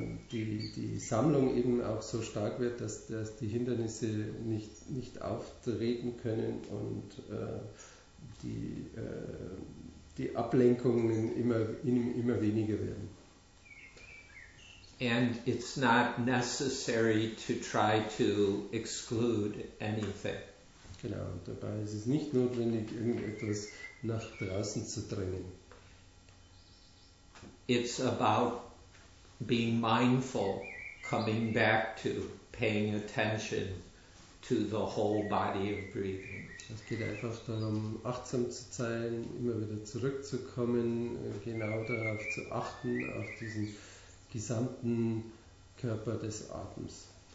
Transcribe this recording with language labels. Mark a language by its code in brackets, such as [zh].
[de] die Sammlung eben auch so stark wird, dass die Hindernisse nicht auftreten können und die Ablenkungen immer weniger werden. [en] And it's not necessary to try to exclude anything. [de] Genau, und dabei ist es nicht notwendig, irgendetwas nach draußen zu drängen. [en] It's about being mindful, coming back to paying attention to the whole body of breathing. [de] Es geht einfach darum, achtsam zu sein, immer wieder zurückzukommen, genau darauf zu achten, auf diesen gesamten Körper des Atems.